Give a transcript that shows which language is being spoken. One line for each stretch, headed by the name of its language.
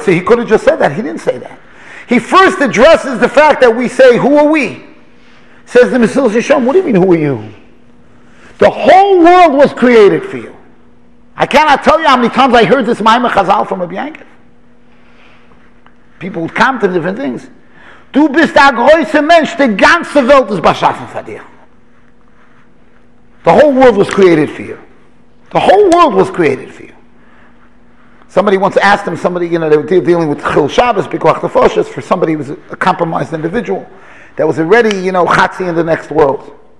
English: See, he could have just said that. He didn't say that. He first addresses the fact that we say, who are we? Says the Mesillas Yesharim, what do you mean, who are you? The whole world was created for you. I cannot tell you how many times I heard this Maimah Chazal from Rabbi Yankov. People would come to different things.
German: Du bist der größte Mensch, die ganze Welt ist beschaffen für dich.
English: The whole world was created for you. The whole world was created for you. Somebody once asked him, somebody, you know, they were dealing with Chil Shabbos, Pikuach Nefoshes, for somebody who was a compromised individual that was already, you know, Chatzi in the next world.